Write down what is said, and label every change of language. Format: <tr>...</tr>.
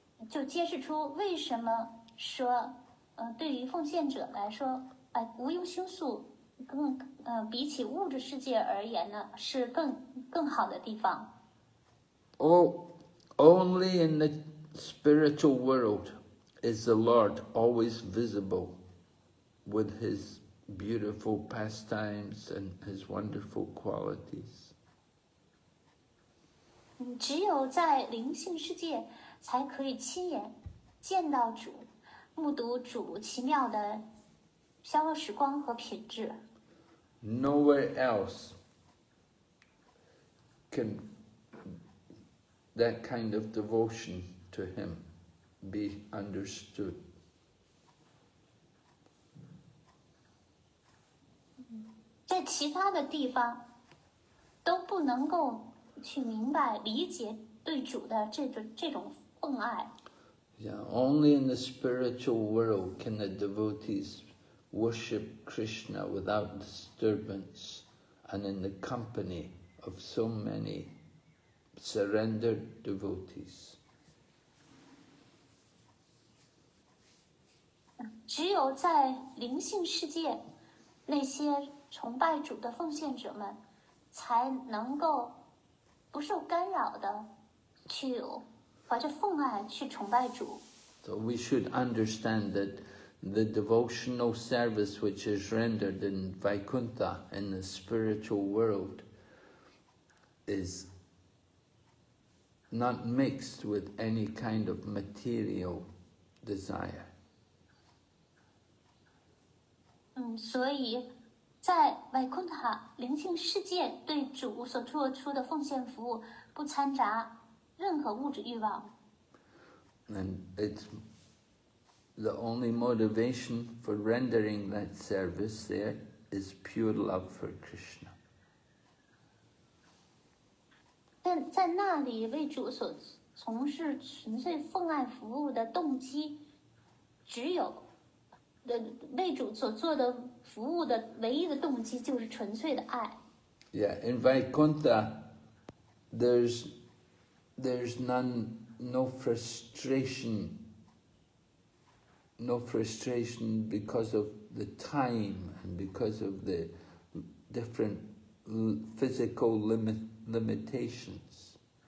<zh>就揭示出为什么说，对于奉献者来说，无忧星宿更，比起物质世界而言呢，是更好的地方。</zh> <en>Oh, only in the spiritual world is the Lord always visible with his beautiful pastimes and his wonderful qualities.</en> <zh>只有在灵性世界才可以亲眼见到主，目睹主奇妙的消逝光和品质。</zh> <en>Nowhere else can that kind of devotion to him be understood.</en> <zh>在其他的地方都不能够去明白理解对主的这种奉爱。</zh> <en>Yeah, only in the spiritual world can the devotees worship Krishna without disturbance and in the company of so many surrendered devotees.</en> <zh>只有在灵性世界，那些崇拜主的奉献者们才能够不受干扰的去怀着奉爱去崇拜主。</zh> <en>So we should understand that the devotional service which is rendered in Vaikuntha in the spiritual world is not mixed with any kind of material desire.</en> <zh>所以在维昆塔灵性世界对主所做出的奉献服务不掺杂任何物质欲望。</zh> <en>And it's the only motivation for rendering that service there is pure love for Krishna.</en> <zh>但在那里为主所从事纯粹奉爱服务的动机只有为主所做的服务的唯一的动机就是纯粹的爱。</zh> <en>Yeah, in Vaikuntha, there's none, no frustration because of the time and because of the different physical limitations.</en>